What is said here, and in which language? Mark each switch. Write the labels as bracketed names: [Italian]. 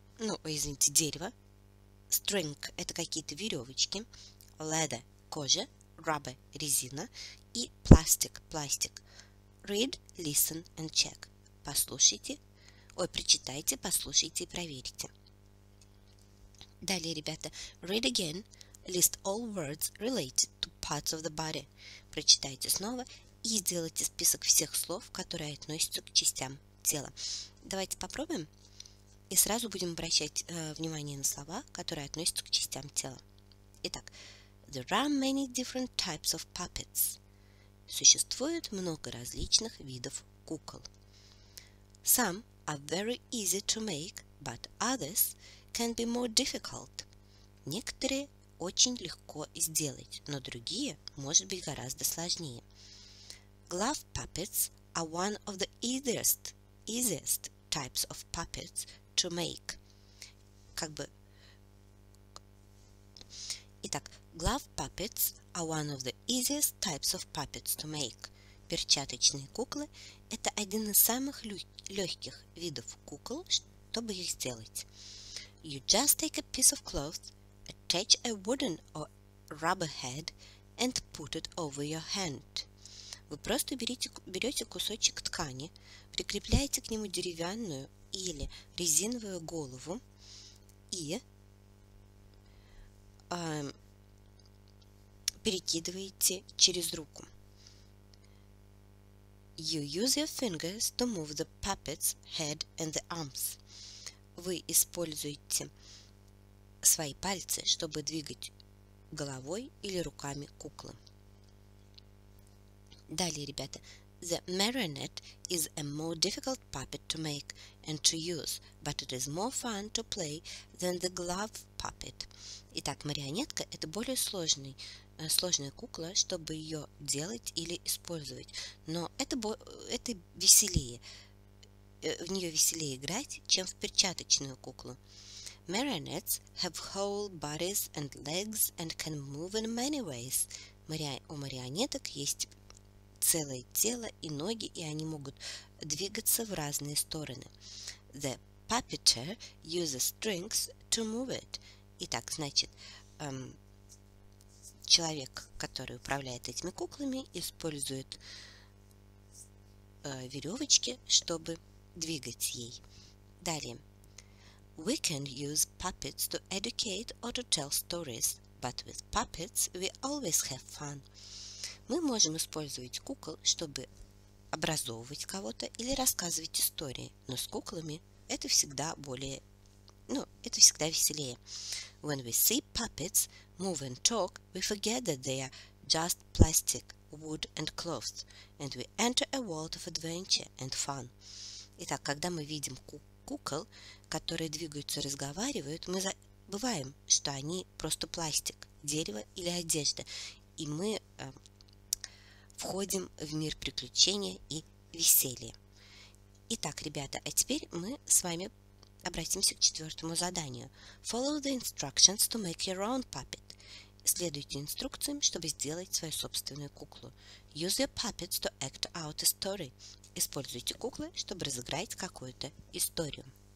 [Russian] Ну, извините, дерево. String – это какие-то веревочки. Leather – кожа. Rubber – резина. И plastic – пластик. [English] Read, listen and check. [Russian] Послушайте. Ой, прочитайте, послушайте и проверите. Далее, ребята. [English] Read again. List all words related to parts of the body. [Russian] Прочитайте снова и сделайте список всех слов, которые относятся к частям тела. Давайте попробуем. И сразу будем обращать внимание на слова, которые относятся к частям тела. [English] Итак. There are many different types of puppets. [Russian] Существует много различных видов кукол. [English] Some are very easy to make, but others can be more difficult. [Russian] Некоторые очень легко сделать, но другие может быть гораздо сложнее. [English] Glove puppets are one of the easiest types of puppets to make. [Russian] Как бы... [English] Итак, glove puppets are one of the easiest types of puppets to make. [Russian] Перчаточные куклы – это один из самых легких видов кукол, чтобы их сделать. [English] You just take a piece of cloth, attach a wooden or rubber head, and put it over your hand. [Russian] Вы просто берете кусочек ткани, прикрепляете к нему деревянную или резиновую голову и перекидываете через руку. [English] You use your fingers to move the puppet's head and the arms. [Russian] Вы используете свои пальцы, чтобы двигать головой или руками куклы. Далее, ребята. [English] The marionette is a more difficult puppet to make and to use, but it is more fun to play than the glove puppet. [Russian] Итак, марионетка – это более сложная кукла, чтобы ее делать или использовать. Но это веселее. В нее веселее играть, чем в перчаточную куклу. [English] Marionettes have whole bodies and legs and can move in many ways. [Russian] У марионеток есть целое тело и ноги, и они могут двигаться в разные стороны. [English] The puppeteer uses strings to move it. [Russian] Итак, значит, человек, который управляет этими куклами, использует веревочки, чтобы двигать ей. Далее. [English] We can use puppets to educate or to tell stories, but with puppets we always have fun. [Russian] Мы можем использовать кукол, чтобы образовывать кого-то или рассказывать истории, но с куклами это всегда более... Ну, это всегда веселее. [English] When we see puppets move and talk, we forget that they are just plastic, wood and cloth, and we enter a world of adventure and fun. [Russian] Итак, когда мы видим кукол, которые двигаются, разговаривают, мы забываем, что они просто пластик, дерево или одежда, и мы входим в мир приключения и веселья. Итак, ребята, а теперь мы с вами обратимся к четвертому заданию. [English] Follow the instructions to make your own puppet. [Russian] Следуйте инструкциям, чтобы сделать свою собственную куклу. [English] Use your puppets to act out a story. [Russian] Используйте куклы, чтобы разыграть какую-то историю.